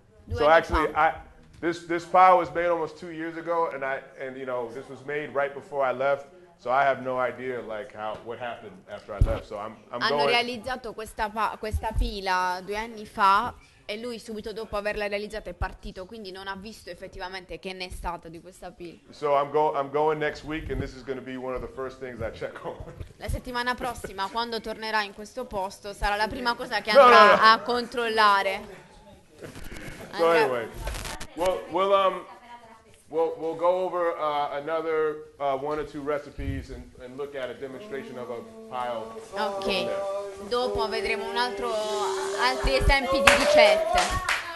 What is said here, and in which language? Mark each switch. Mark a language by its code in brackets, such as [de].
[en] So actually, this pile was made almost 2 years ago, and you know, this was made right before I left. So I have no idea like what happened after I left. So I'm going. [it] Hanno realizzato questa pila 2 anni fa, e lui subito dopo averla realizzata è partito, quindi non ha visto effettivamente che ne è stata di questa pila. [en] So I'm going next week, and this is going to be one of the first things I check on. [it] La settimana prossima, quando tornerà in questo posto, sarà la prima cosa che andrà a controllare. [en] So anyway, we'll go over another one or two recipes and look at a demonstration of a pile. Okay. [it] dopo vedremo un altro, altri esempi di ricette.